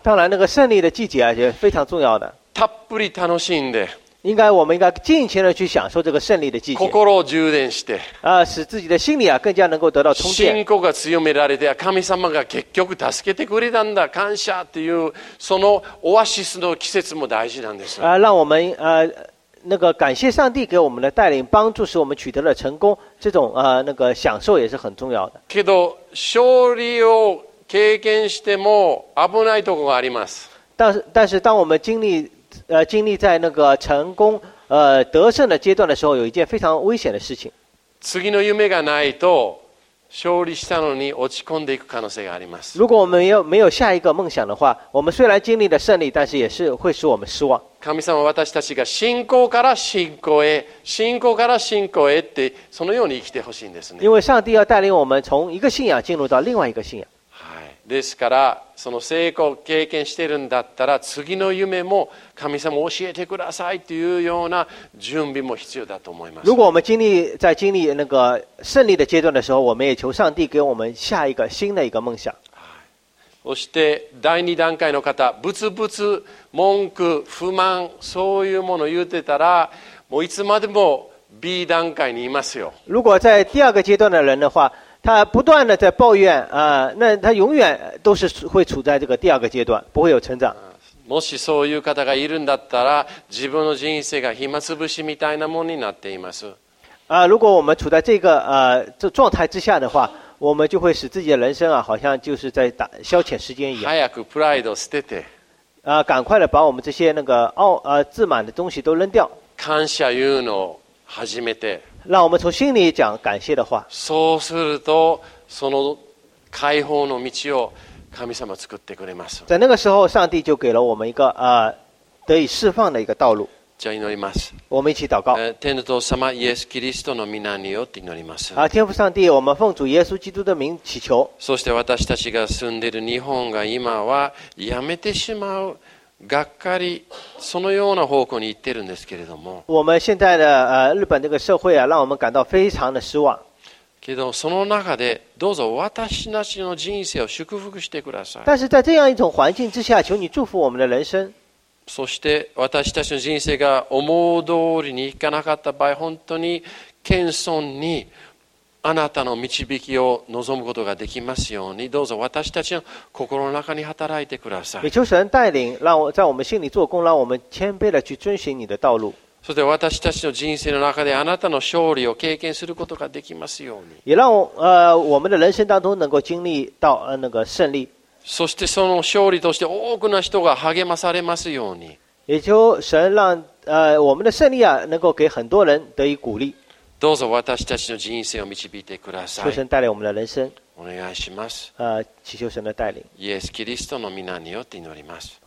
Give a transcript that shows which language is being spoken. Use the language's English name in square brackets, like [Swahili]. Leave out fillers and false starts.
[Chinese] 当然、那个胜利的季节也非常重要的。 [Japanese] たっぷり楽しんで。 [Chinese] 应该我们应该尽情的去享受这个胜利的季节。 [Japanese] 心を充電して。 [Chinese] 使自己的心理啊更加能够得到充电。 [Japanese] 信仰が強められて、神様が結局助けてくれたんだ、感謝っていうそのオアシスの季節も大事なんです。 [Chinese] 让我们那个感谢上帝给我们的带领帮助，使我们取得了成功，这种那个享受也是很重要的。 [Japanese] けど勝利を経験しても危ないところがあります。 [Chinese] 但是当我们经历在那个成功得胜的阶段的时候，有一件非常危险的事情。 [Japanese] 次の夢がないと勝利したのに落ち込んでいく可能性があります。 [Chinese] 如果我们没有下一个梦想的话，我们虽然经历了胜利，但是也是会使我们失望。 [Japanese] 神様、私たちが信仰から信仰へ、信仰から信仰へってそのように生きてほしいんですね。 [Chinese] 因为上帝要带领我们从一个信仰进入到另外一个信仰。 [Japanese] ですからその成功を経験してるんだったら次の夢も神様教えてくださいというような準備も必要だと思います。 [Chinese] 如果我们经历那个胜利的阶段的时候，我们也求上帝给我们下一个新的一个梦想。 [Japanese] そして第二段階の方、ブツブツ文句不満そういうものを言ってたらもういつまでも B 段階にいますよ。 [Chinese] 如果在第二个阶段的人的话，他不断的在抱怨那他永远都是会处在这个第二个阶段，不会有成长。 [Japanese] もしそういう方がいるんだったら、自分の人生が暇つぶしみたいなものになっています。 [Chinese] 如果我们处在这个这状态之下的话，我们就会使自己的人生啊，好像就是在打消遣时间一样。 [Japanese] 早くプライド捨てて。 [Chinese] 赶快的把我们这些那个自满的东西都扔掉。 [Japanese] 感謝言うのを始めて。 [Chinese] 让我们从心里讲感谢的话。 [Japanese] そうするとその解放の道を神様作ってくれます。 [Chinese] 在那个时候，上帝就给了我们一个得以释放的一个道路。 [Japanese] じゃあ祈ります。 [Chinese] 我们一起祷告。 [Japanese] 天父様、イエスキリストの名によって祈ります。 [Chinese] 天父上帝，我们奉主耶稣基督的名祈求。 [Japanese] そして私たちが住んでいる日本が今はやめてしまう。がっかりそのような方向に行ってるんですけれども、 [Chinese] 我们现在的日本这个社会啊，让我们感到非常的失望。 [Japanese] けどその中でどうぞ私たちの人生を祝福してください。 [Chinese] 但是在这样一种环境之下，求你祝福我们的人生。 [Japanese] そして私たちの人生が思う通りにいかなかった場合、本当に謙遜にあなたの導きを望むことができますように、どうぞ私たちの心の中に働いてください。 [Chinese] 求神带领，让我在我们心里做工，让我们谦卑的去遵循你的道路。 [Japanese] そして私たちの人生の中であなたの勝利を経験することができますように。 [Chinese] 也让我们的人生当中能够经历到那个胜利。 [Japanese] そしてその勝利として多くの人が励まされますように。 [Chinese] 也求神让我们的胜利啊能够给很多人得以鼓励。 [Japanese] どうぞ私たちの人生を導いてください。 [Chinese] 求神带领我们的人生。 [Japanese] お願いします。 [Chinese] 祈求神的带领。 [Japanese] イエスキリストの御名によって祈ります。